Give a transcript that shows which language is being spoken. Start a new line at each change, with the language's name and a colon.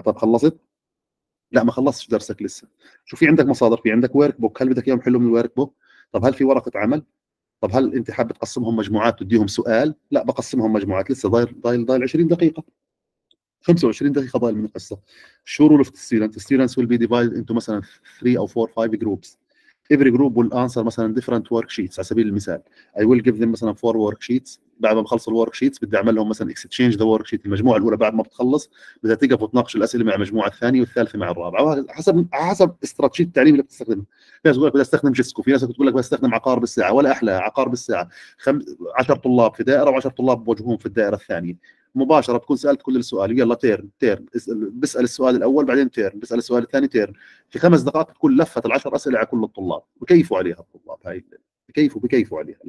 Arabic: طب خلصت؟ لا ما خلصتش درسك لسه. شو في عندك مصادر؟ في عندك ورك بوك، هل بدك إياهم يحلوا من الورك بوك؟ طب هل في ورقة عمل؟ طب هل أنت حاب تقسمهم مجموعات تديهم سؤال؟ لا بقسمهم مجموعات، لسه ضايل 20 دقيقة، 25 دقيقة ضايل من الحصة. شو
English: رول أوف ستيودنت؟ ستيودنت ويل بي ديفايد إنتو مثلا 3 أو 4 5 جروبس. Every group will answer
Arabic: مثلا
English: different worksheets.
Arabic: على سبيل المثال
English: I will give them
Arabic: مثلا
English: 4 worksheets.
Arabic: بعد ما بخلص الworksheets بدي أعمل لهم مثلا
English: exchange the worksheet.
Arabic: المجموعة الأولى بعد ما بتخلص بدي تقف وتناقش الأسئلة مع المجموعة الثانية والثالثة مع الرابعة، حسب استراتيجية التعليم اللي بتستخدمها. في ناس بقول لك بدي أستخدم جيسكو، في ناس بتقول لك بدي أستخدم عقارب الساعة، ولا أحلى عقارب الساعة. 10 طلاب في دائرة و10 طلاب بوجههم في الدائرة الثانية، مباشرة بتكون سألت كل السؤال، يلا تيرن بسأل السؤال الأول، بعدين تيرن بسأل السؤال الثاني، تيرن في خمس دقائق تكون لفت العشر أسئلة على كل الطلاب، بكيفوا عليها الطلاب هاي، بكيفوا عليها.